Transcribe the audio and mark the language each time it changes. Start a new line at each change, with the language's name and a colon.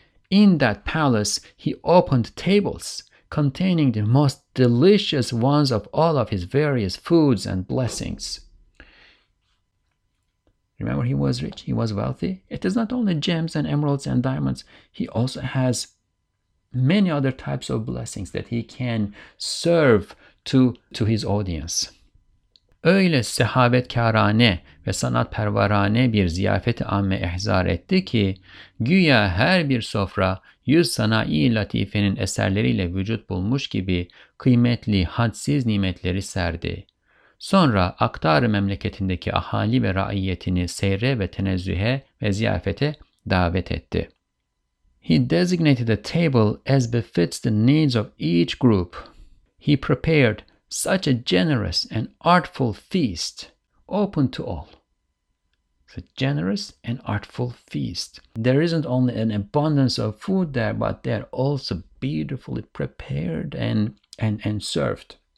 English: In that palace, he opened tables containing the most delicious ones of all of his various foods and blessings. Remember, he was rich, he was wealthy. It is not only gems and emeralds and diamonds. He also has many other types of blessings that he can serve to his audience.
Turkish: Öyle sehavetkârâne ve sanatpervârâne bir ziyafet-i âmme ihzâr etti ki, güya her bir sofra yüz sanâi-i latîfenin eserleriyle vücut bulmuş gibi kıymetli, hadsiz nimetleri serdi. Sonra aktar memleketindeki ahali ve raiyetini seyre ve tenezzühe ve ziyafete davet etti.
English: He designated a table as befits the needs of each group. He prepared such a generous and artful feast, open to all. It's a generous and artful feast. There isn't only an abundance of food there, but they're also beautifully prepared and served.